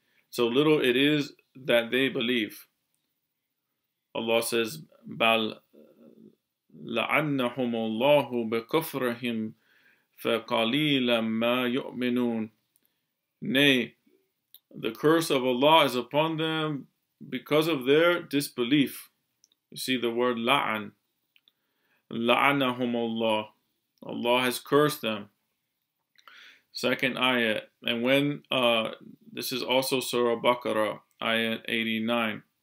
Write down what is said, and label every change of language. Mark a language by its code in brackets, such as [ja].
[en] So little it is that they believe. Allah says, [ar] بَلْ لَعَنَّهُمُ اللَّهُ بِكُفْرِهِمْ فَقَلِيلًا مَا يُؤْمِنُونَ. [en] Nay, the curse of Allah is upon them because of their disbelief. You see the word la'an. La'anahum Allah. Allah has cursed them. Second ayat. And when, this is also Surah Baqarah, ayat 89.